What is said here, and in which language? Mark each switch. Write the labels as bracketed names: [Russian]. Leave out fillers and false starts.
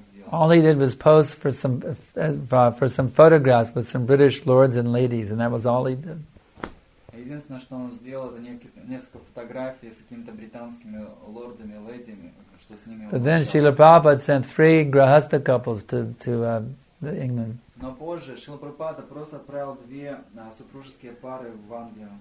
[English] All he did was pose for some photographs with some British lords and ladies, and that was all he did. [Russian] Единственное, что он сделал, это несколько фотографий с какими-то британскими лордами, ледями, что с ними. [English] But then Srila Prabhupada sent three grahastha couples to England. [Russian] Но позже Шрила Прабхупада просто отправил две супружеские пары в Англию.